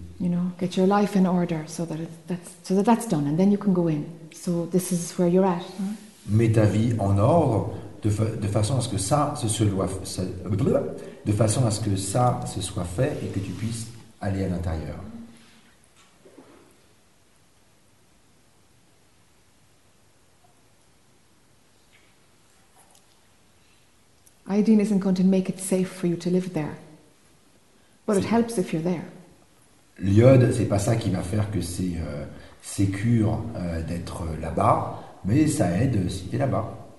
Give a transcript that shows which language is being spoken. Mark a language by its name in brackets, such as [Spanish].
[English] You know, get your life in order so that that's done and then you can go in. So this is where you're at. [French] Mets ta vie en ordre de façon à ce que ça se soit fait et que tu puisses aller à l'intérieur. [English] Aideen isn't going to make it safe for you to live there. But it helps if you're there. [French] L'iode, c'est pas ça qui va faire que c'est sécure d'être là-bas, mais ça aide si t'es là-bas.